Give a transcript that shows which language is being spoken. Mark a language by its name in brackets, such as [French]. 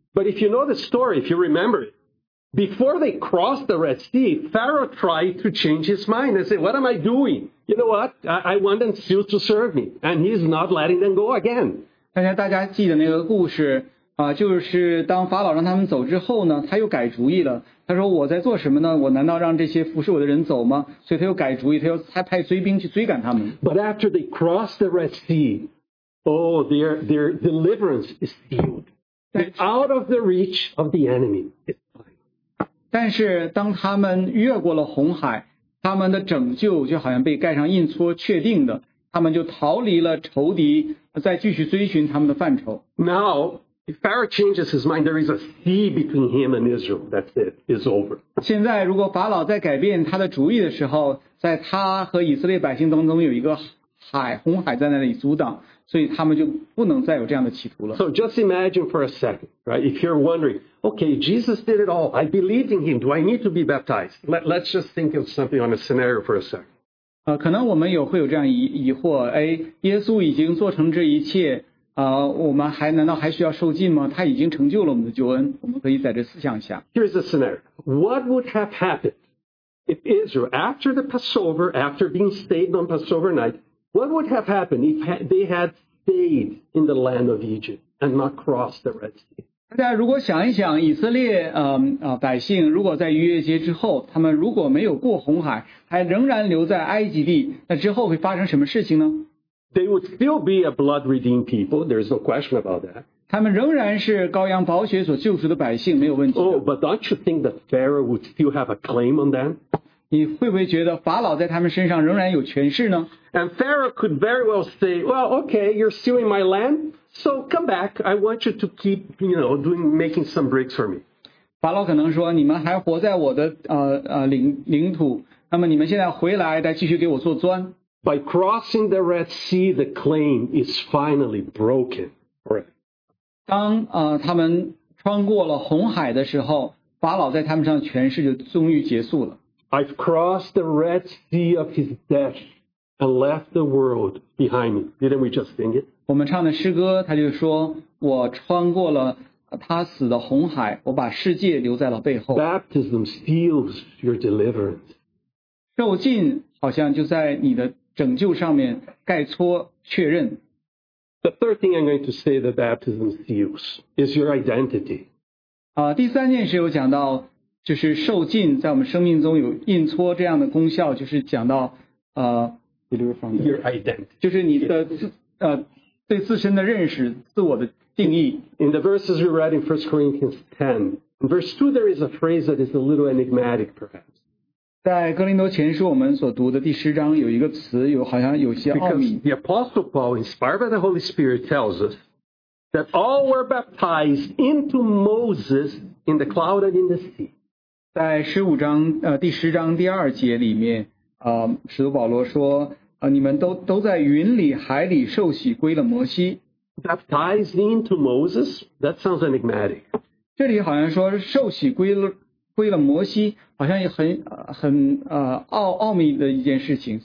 [English] But if you know the story, if you remember it,Before they crossed the Red Sea, Pharaoh tried to change his mind and said, what am I doing? You know what? I want them still to serve me. And he's not letting them go again. [Chinese] 大家记得那个故事就是当法老让他们走之后呢，他又改主意了。他说我在做什么呢？我难道让这些服侍我的人走吗？所以他又改主意，他又派追兵去追赶他们。 [English] But after they crossed the Red Sea, oh, their deliverance is sealed. They're out of the reach of the enemy. It's fine. [Chinese] 但是当他们越过了红海，他们的拯救就好像被盖上印戳确定的，他们就逃离了仇敌再继续追寻他们的范畴。 [English] Now, if Pharaoh changes his mind, there is a sea between him and Israel. That's it. It's over. [Chinese] 现在如果法老在改变他的主意的时候，在他和以色列百姓当中有一个红海在那里阻挡，所以他们就不能再有这样的企图了。 [English] So just imagine for a second, right? If you're wondering, okay, Jesus did it all. I believed in him. Do I need to be baptized? Let's just think of something on a scenario for a second. [Chinese] 可能我们也会有这样 疑惑、哎、耶稣已经做成这一切、我们还难道还需要受浸吗？他已经成就了我们的救恩，我们可以在这思想一下。 [English] Here's a scenario. What would have happened if Israel, after the Passover, after being stayed on Passover night, what would have happened if they had stayed in the land of Egypt and not crossed the Red Sea? [Chinese] 大家如果想一想，以色列百姓如果在逾越节之后，他们如果没有过红海，还仍然留在埃及地，那之后会发生什么事情呢？ [English] They would still be a blood-redeemed people. There is no question about that. [Chinese] 他们仍然是羔羊宝血所救赎的百姓，没有问题。 [English] Oh, but don't you think that Pharaoh would still have a claim on them? [Chinese] 你会不会觉得法老在他们身上仍然有权势呢？ [English] And Pharaoh could very well say, "Well, okay, you're still in my land." So come back, I want you to keep, you know, doing, making some breaks for me. [Chinese] 法老可能说，你们还活在我的领土，那么你们现在回来再继续给我做砖。 [English] By crossing the Red Sea, the claim is finally broken. Right. [Chinese] 当他们穿过了红海的时候，法老在他们上权势就终于结束了。 [English] I've crossed the Red Sea of his death and left the world behind me. Didn't we just sing it? [Chinese] 我们唱的诗歌，他就说，我穿过了他死的红海，我把世界留在了背后。 [English] Baptism seals your deliverance. [Chinese] 受浸好像就在你的拯救上面盖戳确认。 [English] The third thing I'm going to say that baptism seals is your identity. [Chinese] 第三件事有讲到，就是受浸在我们生命中有印戳这样的功效，就是讲到 [English] your identity. [Chinese] 就是你的对自身的认识，自我的定义。 [English] In the verses we read in 1 Corinthians 10, in verse 2 there is a phrase that is a little enigmatic perhaps. [Chinese] 在哥林多前书我们所读的第十章有一个词，有好像有些奥秘。 [English] Because the Apostle Paul, inspired by the Holy Spirit, tells us that all were baptized into Moses in the cloud and in the sea. [Chinese] 在十五章第十章第二节里面使徒保罗说你们 都在云里海里受洗归了摩西。 [English] Baptized into Moses? That sounds enigmatic. [Chinese] 这里好像说受洗归了摩西，好像也很奥秘的一件事情。